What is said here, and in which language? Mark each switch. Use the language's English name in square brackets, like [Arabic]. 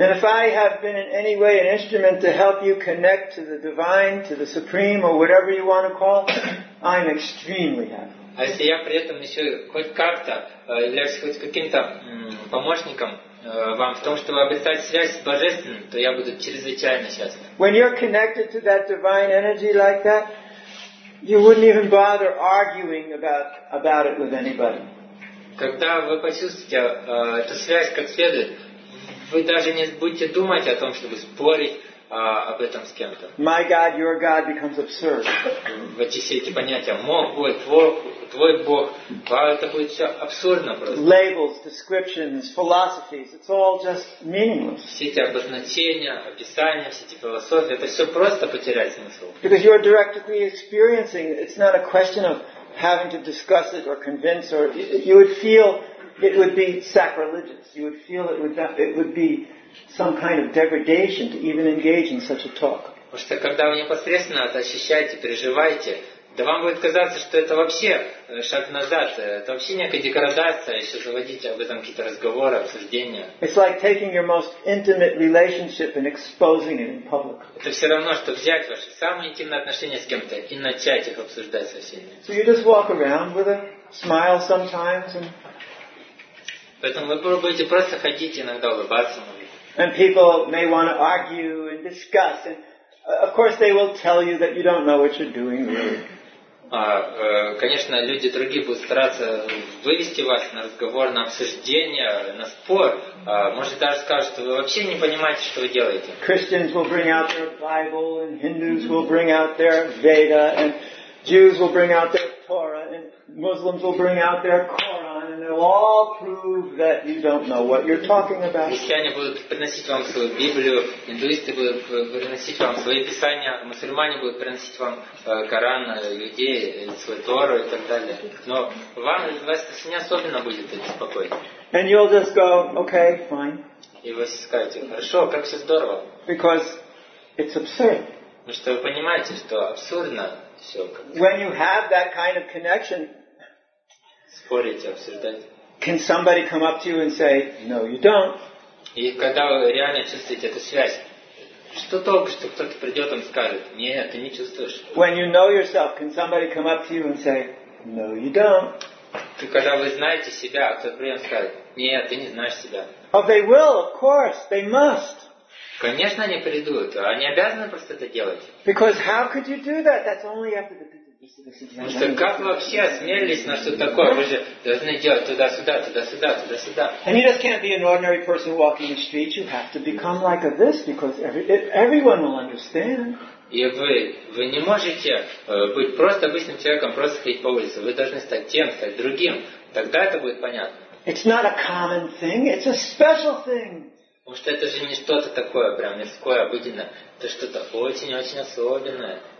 [English] And if I have been in any way an instrument to help you connect to the divine, to the supreme, or whatever you want to call it, I'm extremely happy. [Russian] А если я при этом еще хоть как-то являюсь хоть каким-то помощником вам в том, чтобы обретать связь с Божественным, то я буду чрезвычайно счастлив. [English] When you're connected to that divine energy like that, you wouldn't even bother arguing about it with anybody. [Russian] Когда вы почувствуете эту связь как следует, вы даже не будете думать о том, чтобы спорить об этом с кем-то. [English] My God, your God becomes absurd. [Russian] Вот все эти понятия. Мой Бог, твой Бог. Это будет все абсурдно просто. [English] Labels, descriptions, philosophies, it's all just meaningless. [Russian] Все эти обозначения, описания, все эти философии, это все просто потеряет смысл. [English] Because you are directly experiencing, it's not a question of having to discuss it or convince, or you would feel it would be sacrilegious. You would feel it would be some kind of degradation to even engage in such a talk. [Russian] Потому что когда вы непосредственно это ощущаете, переживаете, да вам будет казаться, что это вообще шаг назад, это вообще некая деградация, еще заводить об этом какие-то разговоры, обсуждения. [English] It's like taking your most intimate relationship and exposing it in public. [Russian] Это все равно, что взять ваши самые интимные отношения с кем-то и начать их обсуждать со всеми. [English] So you just walk around with a smile sometimes and. [Russian] Поэтому вы будете просто ходить иногда улыбаться. [English] And people may want to argue and discuss, and of course they will tell you that you don't know what you're doing. [Russian] Конечно, люди другие будут стараться вывести вас на разговор, на обсуждение, на спор. Может даже скажут, что вы вообще не понимаете, что вы делаете. [English] Christians will bring out their Bible, and Hindus will bring out their Veda, and Jews will bring out their Torah, and Muslims will bring out their Quran. They'll all prove that you don't know what you're talking about. [Russian] Христиане будут приносить вам свою Библию, индуисты будут приносить вам свои писания, мусульмане будут приносить вам Коран, иудеи свою Тору и так далее. Но вам, вас не особенно будет беспокоить. [English] And you'll just go, okay, fine. [Russian] И вы скажете, хорошо, как все здорово. [English] Because it's absurd. [Russian] Потому что вы понимаете, что абсурдно все. [English] When you have that kind of connection, [Russian] спорите, обсуждать. [English] Can somebody come up to you and say, no, you don't? [Russian] И когда вы реально чувствуете эту связь, что толку, что кто-то придет и скажет, нет, ты не чувствуешь. [English] When you know yourself, can somebody come up to you and say, no, you don't? [Russian] Ты когда вы знаете себя, кто-то придет и скажет, нет, ты не знаешь себя. [English] Oh, they will, of course, they must. [Russian] Конечно, они придут, они обязаны просто это делать. [English] Because how could you do that? That's only after the. [Russian] Потому что как вообще осмелились на что-то такое? Вы же должны делать туда-сюда, туда-сюда, туда-сюда. [English] And you just can't be an ordinary person walking the street. You have to become like this because everyone will understand. [Russian] И вы не можете быть просто обычным человеком, просто ходить по улице. Вы должны стать тем, стать другим. Тогда это будет понятно. [English] It's not a common thing. It's a special thing. [Russian] Потому что это же не что-то такое прям мирское, обыденное. Это что-то очень-очень особенное.